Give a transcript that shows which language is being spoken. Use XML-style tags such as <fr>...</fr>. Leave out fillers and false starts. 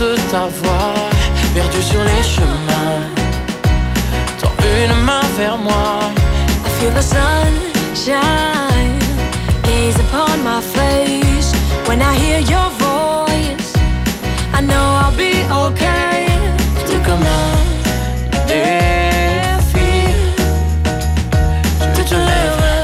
<fr>Ta voix perdue sur les chemins, tends une main vers moi.</fr> <en>I feel the sunshine gaze upon my face. When I hear your voice, I know I'll be okay.</en> <fr>Tout comme un défi, je te lève.</fr>